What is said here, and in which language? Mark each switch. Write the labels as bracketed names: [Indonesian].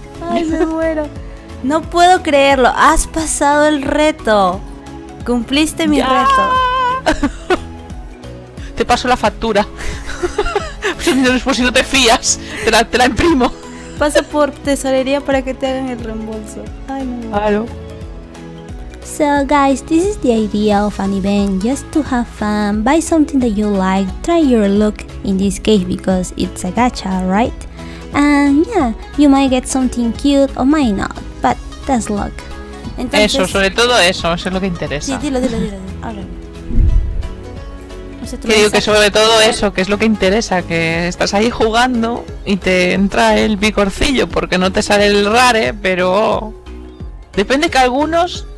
[Spanish] Ay, me muero. No puedo creerlo, has pasado el reto. Cumpliste mi reto. Te paso la factura. Por si no te fías, te la imprimo. Pasa por tesorería para que te hagan el reembolso. Ay, no. Claro. [English] So guys, this is the idea of an event. Just to have fun, buy something that you like, try your luck in this case because it's a gacha, right? And yeah, you might get something cute or might not. That's luck. [Spanish] Entonces, eso, sobre todo eso es lo que interesa. Sí, dilo. O sea, tú que digo que sobre todo eso, que es lo que interesa, que estás ahí jugando y te entra el picorcillo porque no te sale el rare, pero depende que algunos